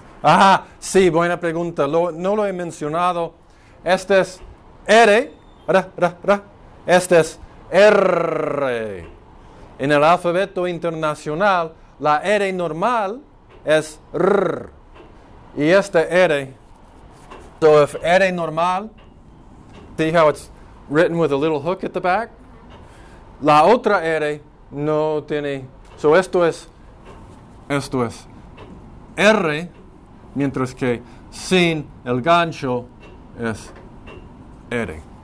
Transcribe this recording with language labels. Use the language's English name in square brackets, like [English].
[Spanish] Ah, sí, buena pregunta. No lo he mencionado. Este es R, ra, ra, ra. Este es R. En el alfabeto internacional, la R normal es R. Y este R. [English] So if R normal, see how it's written with a little hook at the back? [Spanish] la otra R no tiene. So esto es R, mientras que sin el gancho es R.